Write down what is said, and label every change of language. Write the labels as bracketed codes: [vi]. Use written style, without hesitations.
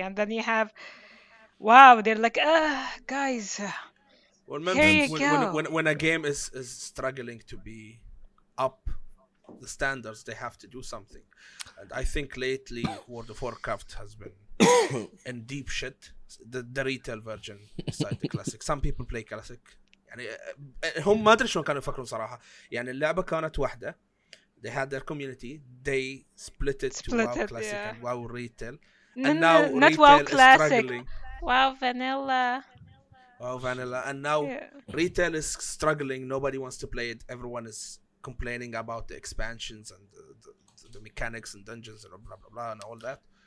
[en] And then you have... Wow, they're like, guys. Well, remember, when a game is struggling to be up the standards, they have to do something. And I think lately World of Warcraft has been in deep shit. The retail version beside the classic. Some people play classic. [ar] يعني هم ما أدري شلون كانوا يفكرون صراحة. يعني اللعبة كانت واحدة. They had their community. [en] They split it to WoW Classic and WoW Retail. Now WoW Classic. Struggling. Wow, vanilla. And now retail is struggling. Nobody wants to play it. Everyone is complaining about the expansions and the mechanics and dungeons and blah, blah, blah, and all that.